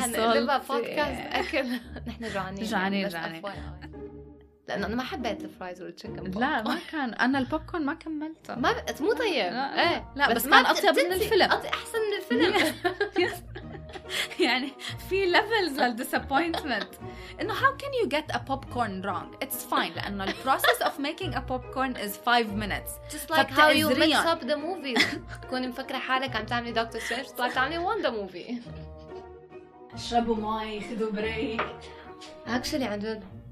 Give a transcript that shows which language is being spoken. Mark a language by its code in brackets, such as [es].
[ar] سولتي. هنقلبها بودكاست أكل. نحن جعانين. جعانين جعانين. لأنه أنا ما حبيت الفرايز والتشيكن بوب. لا ما كان, أنا البوب كورن ما كملته. ما بقت مو طيب. لا بس كان أطيب من الفيلم. أحسن من الفيلم. يعني في ليفلز للديسابوينتمنت. إنه [en] how can you get a popcorn wrong? It's fine. [ar] لأنه [en] the process of making a popcorn is 5 minutes. Just like how you mix up the movie. [ar] تكوني مفكرة حالك عم تعملي دكتور سترينج, طلعت تعملي واندا موفي. اشربوا ماي, خذوا بريك. Actually عن جد.